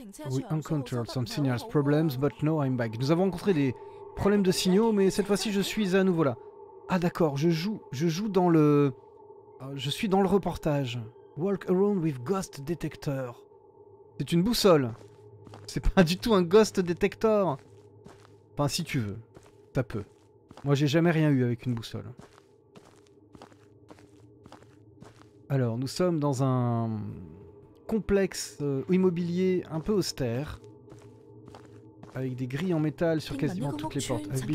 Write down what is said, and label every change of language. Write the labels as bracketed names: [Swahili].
[English] We encountered some signals problems, but now I'm back. [French] Nous avons rencontré des problèmes de signaux, mais cette fois-ci, je suis à nouveau là. Ah, d'accord, je joue dans le... Je suis dans le reportage. [English] Walk around with ghost detector. [French] C'est une boussole. C'est pas du tout un [English] ghost detector. [French] Enfin, si tu veux. Ça peut. Moi, j'ai jamais rien eu avec une boussole. Alors, nous sommes dans un complexe immobilier un peu austère, avec des grilles en métal sur quasiment toutes les portes.